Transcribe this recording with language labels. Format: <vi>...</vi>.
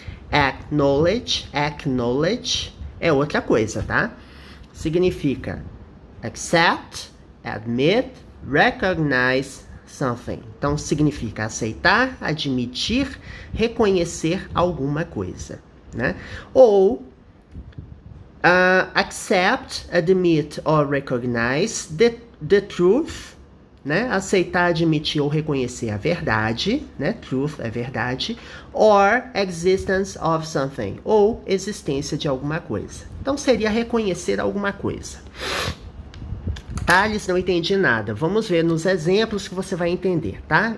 <pt>Acknowledge, acknowledge é outra coisa, tá? Significa</pt> <en>accept, admit, recognize something.</en> <pt>Então significa aceitar, admitir, reconhecer alguma coisa, né?</pt> <en>Ou accept, admit or recognize the truth, né?</en> <pt>Aceitar, admitir ou reconhecer a verdade, né? Truth é verdade,</pt> <en>or existence of something,</en> <pt>ou existência de alguma coisa. Então seria reconhecer alguma coisa. Thales, não entendi nada. Vamos ver nos exemplos que você vai entender, tá?</pt>